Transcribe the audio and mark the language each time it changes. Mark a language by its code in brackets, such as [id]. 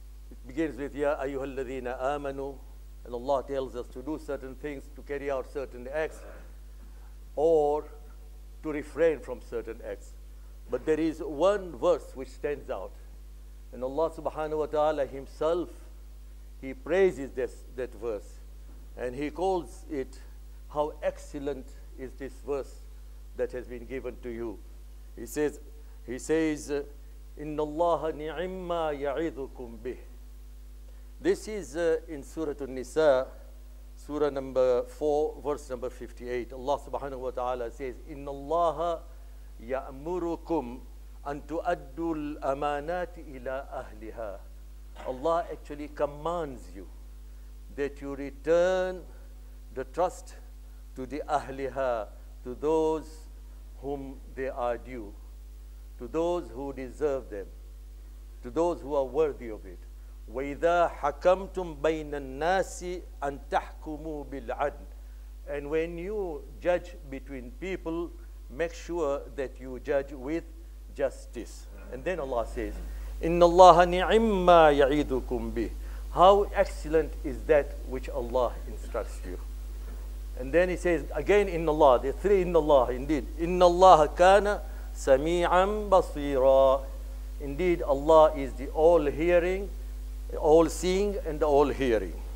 [en] It begins with, Ya ayyuhalladhina amanu, and Allah tells us to do certain things, to carry out certain acts, or to refrain from certain acts. But there is one verse which stands out, and Allah subhanahu wa ta'ala himself, he praises that verse, and he calls it, how excellent is this verse that has been given to you. He says, [ar] إِنَّ اللَّهَ نِعِمَّا يَعِذُكُمْ بِهِ. [en] This is in Surah An-Nisa, Surah number 4, verse number 58. Allah subhanahu wa ta'ala says, [ar] إِنَّ اللَّهَ يَأْمُرُكُمْ أَن تُؤَدُّوا الْأَمَانَاتِ إِلَىٰ أَهْلِهَا. [en] Allah actually commands you that you return the trust to the أَهْلِهَا, to those whom they are due, to those who deserve them, to those who are worthy of it. [ar] وَإِذَا حَكَمْتُمْ بَيْنَ النَّاسِ أَن تَحْكُمُوا بِالْعَدْلِ. [en] And when you judge between people, make sure that you judge with justice. And then Allah says, [ar] إِنَّ اللَّهَ نِعِمَّا يَعِيدُكُمْ بِهِ. [en] How excellent is that which Allah instructs you. And then he says again, in Allah, the three in Allah, indeed, in Allah kana sami'an basira. Indeed, Allah is the all hearing, all seeing, and all hearing.